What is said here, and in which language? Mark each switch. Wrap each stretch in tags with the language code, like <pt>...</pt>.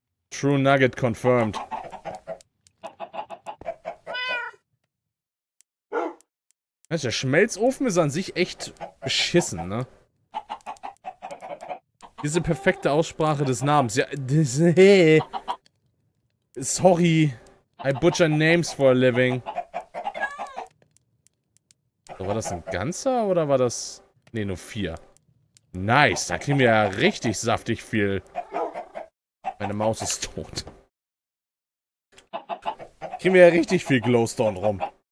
<en>True Nugget confirmed.</en> <de>Der Schmelzofen ist an sich echt beschissen, ne? Diese perfekte Aussprache des Namens. Ja, das, hey. Sorry.</de> <en>I butcher names for a living.</en> <de>So, war das ein ganzer oder war das... Ne, nur vier. Nice, da kriegen wir ja richtig saftig viel. Meine Maus ist tot. Kriegen wir ja richtig viel Glowstone rum.</de>